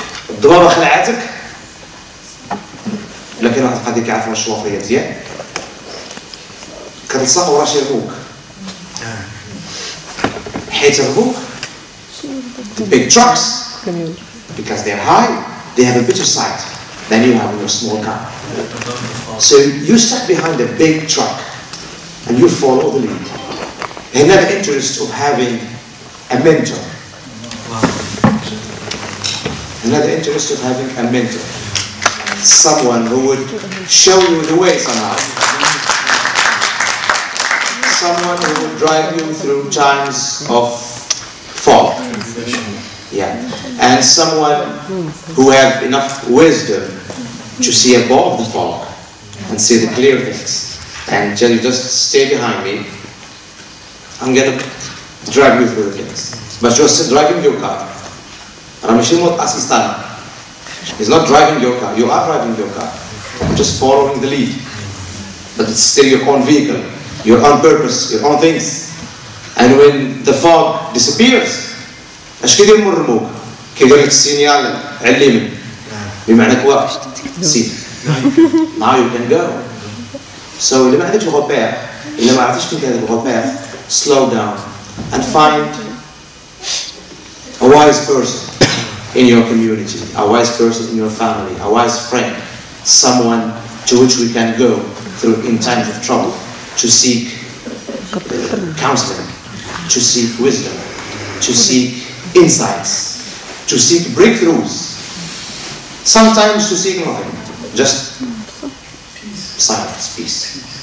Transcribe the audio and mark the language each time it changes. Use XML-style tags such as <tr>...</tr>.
<ar>الضبابة خلعتك، لكن واحد القضية كيعرف الشوافية مزيان. كتلصق ورا شي ربوك. حيت ربوك،</ar> <en>big trucks. Because they're high, they have a better sight than you have in your small car. So you stuck behind a big truck and you follow the lead. They have the interest of having a mentor. They have the interest of having a mentor. Someone who would show you the way somehow. Someone who would drive you through times of fog. Yeah, and someone who have enough wisdom to see above the fog and see the clear things and tell you, just stay behind me, I'm gonna drive you through the things. But you're still driving your car. Ramishin Mot Asistana is not driving your car, you are driving your car, I'm just following the lead. But it's still your own vehicle, your own purpose, your own things. And when the fog disappears,</en> <ar>اش كيدير من الرموك؟ كيدير لك السينيال علمي بمعنى كوا سيف.</ar> <en>Now you can go.</en> <ar>So إلا ما عندكش الغوبير، إلا ما عرفتش فين كاين الغوبير،</ar> <en>slow down and find a wise person in your community, a wise person in your family, a wise friend, someone to which we can go through in times of trouble to seek counseling, to seek wisdom, to seek insights, to seek breakthroughs, sometimes to seek nothing, just silence, peace.</en>